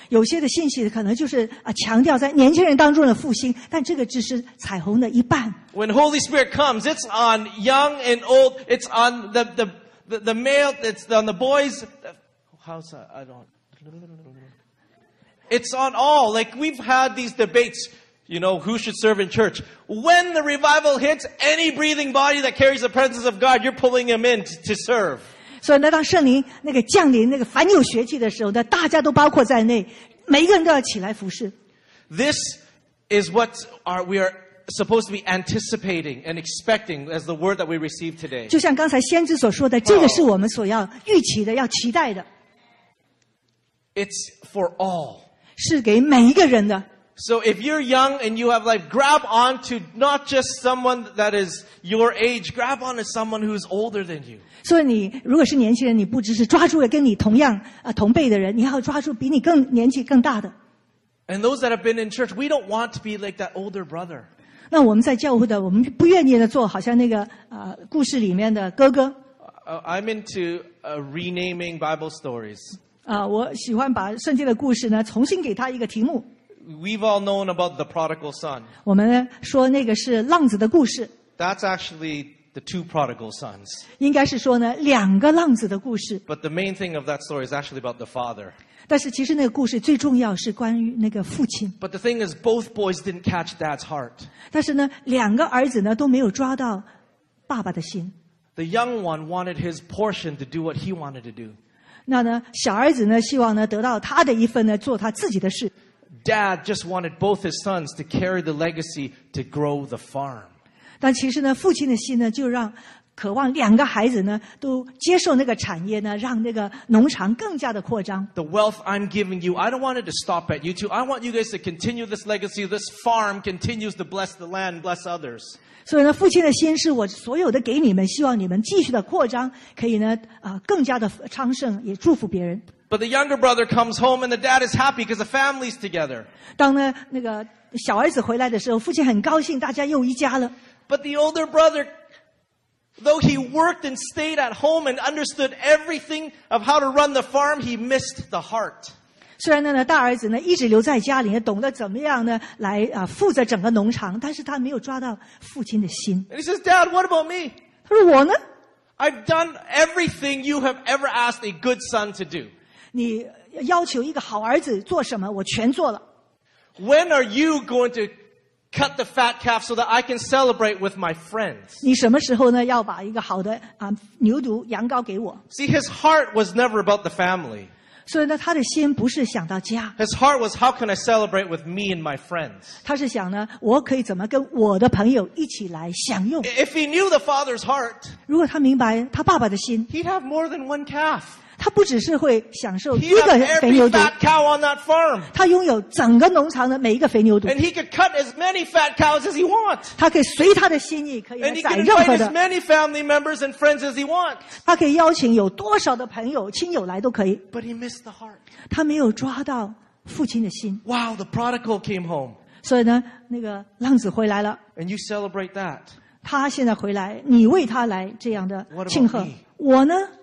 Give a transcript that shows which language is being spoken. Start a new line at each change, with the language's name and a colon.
Chinese: 有些的信息可能就是强调在年轻人当中的复兴，但这个只是彩虹的一半。
English: When Holy Spirit comes, it's on young and old, it's on the male, it's on the boys. How's that? I don't. It's on all. Like we've had these debates. You know, who should serve in church? When the revival hits, any breathing body that carries the presence of God, you're pulling them in to serve.
Chinese: 所以呢，当圣灵那个降临，那个凡有血气的时候呢，大家都包括在内，每一个人都要起来服侍。
English: This is what we are supposed to be anticipating and expecting as the word that we receive today.
Chinese: 就像刚才先知所说的，这个是我们所要预期的，要期待的。
English: It's for all.
Chinese: 是给每一个人的。
English: So if you're young and you have life, grab on to not just someone that is your age, grab on to someone who's older than you.
Chinese: 所以你如果是年轻人，你不只是抓住跟你同样同辈的人，你要抓住比你更年纪更大的。
English: And those that have been in church, we don't want to be like that older brother.
Chinese: 那我们在教会的，我们不愿意的做好像那个故事里面的哥哥。
English: I'm into renaming Bible stories.
Chinese: 我喜欢把圣经的故事呢重新给他一个题目。
English: We've all known about the prodigal son.
Chinese: 我们说那个是浪子的故事。
English: That's actually the two prodigal sons.
Chinese: 应该是说呢两个浪子的故事。
English: But the main thing of that story is actually about the father.
Chinese: 但是其实那个故事最重要是关于那个父亲。
English: But the thing is, both boys didn't catch dad's heart.
Chinese: 但是呢两个儿子呢都没有抓到爸爸的心。
English: The young one wanted his portion to do what he wanted to do.
Chinese: 那呢小儿子呢希望呢得到他的一份呢做他自己的事。
English: Dad just wanted both his sons to carry the legacy to grow the farm.
Chinese: 但其实呢父亲的心呢就让渴望两个孩子呢都接受那个产业呢让那个农场更加的扩张。
English: The wealth I'm giving you, I don't want it to stop at you two. I want you guys to continue this legacy. This farm continues to bless the land, bless others.
Chinese: 所以呢父亲的心是我所有的给你们希望你们继续的扩张可以呢更加的昌盛也祝福别人。
English: But the younger brother comes home and the dad is happy because the family's together.
Chinese: 当呢那个小儿子回来的时候父亲很高兴大家又一家了。
English: But the older brother, though he worked and stayed at home and understood everything of how to run the farm, he missed the heart.
Chinese: 虽然呢大儿子呢一直留在家里懂得怎么样呢来负责整个农场但是他没有抓到父亲的心。
English: And he says, Dad, what about me?
Chinese: 他说我呢
English: I've done everything you have ever asked a good son to do.
Chinese: 你要求一个好儿子做什么我全做了。
English: When are you going to cut the fat calf so that I can celebrate with my friends?
Chinese: 你什么时候呢要把一个好的牛犊羊羔给我
English: See, his heart was never about the family.
Chinese: 所以呢他的心不是想到家。
English: His heart was, how can I celebrate with me and my friends?
Chinese: 他是想呢我可以怎么跟我的朋友一起来享用。
English: If he knew the father's heart,
Chinese: 如果他明白他爸爸的心
English: he'd have more than one calf.
Chinese: 他不只是会享受一个肥牛犊 他拥有整个农场的每一个肥牛犊
English: And he could cut as many fat cows as he wants.
Chinese: 他可以随他的心意可以宰任何的
English: And he could invite as many family members and friends as he wants.
Chinese: 他可以邀请有多少的朋友亲友来都可以
English: But he missed the heart.
Chinese: 他没有抓到父亲的心
English: Wow, the prodigal came home.
Chinese: 所以呢那个浪子回来了
English: And you celebrate that.
Chinese: 他现在回来你为他来这样的庆贺
English: What about me?
Chinese: 我呢